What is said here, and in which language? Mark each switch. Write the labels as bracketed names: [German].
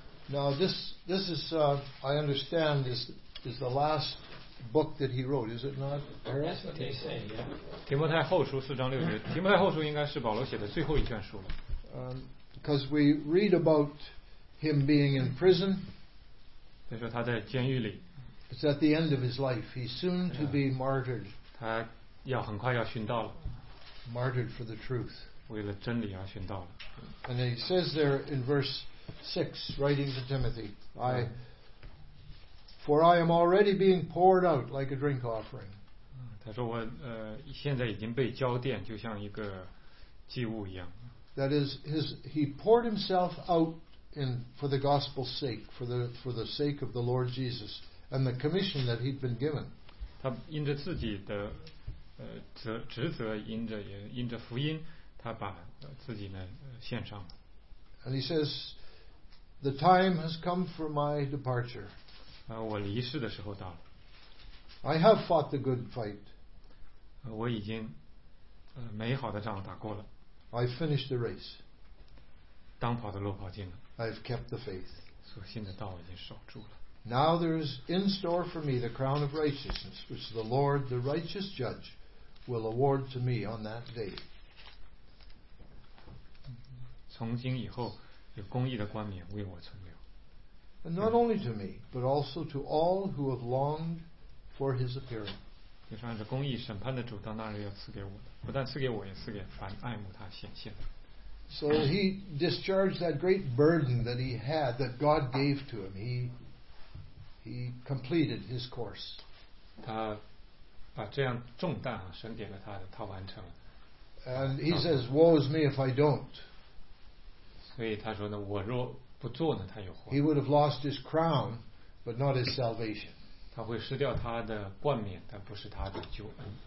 [English] Now, this is, I understand, is the last book that he wrote, is it not? That's what they say, yeah. [Chinese] 提摩太后书四章六节，提摩太后书应该是保罗写的最后一卷书了。 [English] Because we read about him being in prison. [Chinese] 他说他在监狱里。 [English] It's at the end of his life. He's soon to be martyred. [Chinese] 他要很快要殉道了。 [English] Martyred for the truth. [Chinese] 为了真理而殉道了。 [English] And he says there in verse 6, writing to Timothy, For I am already being poured out like a drink offering. [Chinese] 他说我现在已经被浇奠，就像一个祭物一样。 [English] That is, he poured himself out for the gospel's sake, for the sake of the Lord Jesus and the commission that he'd been given. [Chinese] 他因着自己的职责，因着福音，他把自己呢献上了。 [English] And he says, the time has come for my departure. [Chinese] 我离世的时候到了。 [English] I have fought the good fight. [Chinese] 我已经美好的仗打过了。 [English] I finished the race. [Chinese] 当跑的路跑尽了。 [English] I've kept the faith. [Chinese] 所信的道已经守住了。 [English] Now there is in store for me the crown of righteousness, which the Lord, the righteous judge, will award to me on that day. [Chinese] 从今以后，有公义的冠冕为我存留。 [English] And not only to me, but also to all who have longed for his appearing. [Chinese] 就算是公义审判的主，到那日要赐给我的。不但赐给我，也赐给凡爱慕他显现的。 [English] So he discharged that great burden that he had that God gave to him. He completed his course. [Chinese] 他把这样重担神给了他的，他完成了。 [English] And he says, "Woe is me if I don't." [Chinese] 所以他说呢，我若不做呢，他有祸。 [English] He would have lost his crown, but not his salvation. [Chinese] 他会失掉他的冠冕，但不是他的救恩。